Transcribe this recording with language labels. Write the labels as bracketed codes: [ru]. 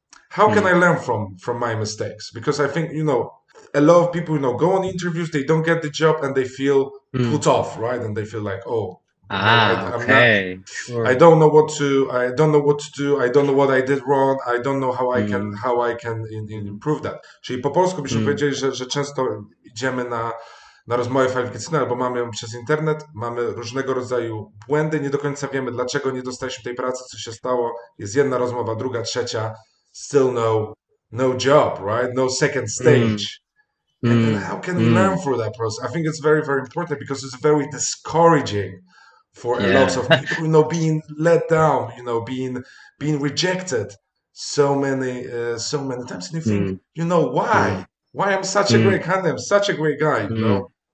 [en] How can I learn from my mistakes? Because I think, you know, a lot of people, you know, go on interviews, they don't get the job, and they feel put off, right? And they feel like, oh, I'm not, Okay, I sure. don't know what to, I don't know what to do, I don't know what I did wrong, I don't know how I can improve that. [pl] Czyli po polsku byśmy powiedzieli, że często idziemy na rozmowę kwalifikacyjną, albo mamy ją przez internet, mamy różnego rodzaju błędy, nie do końca wiemy, dlaczego nie dostaliśmy tej pracy, co się stało, jest jedna rozmowa, druga, trzecia, [en] still no job, right? No second stage. And how can we learn through that process? I think it's very, very important, because it's very discouraging for a lot of people, you know, being let down, you know, being rejected so many times. And you think, you know, why? Why I'm such a great candidate? I'm such a great guy, you know?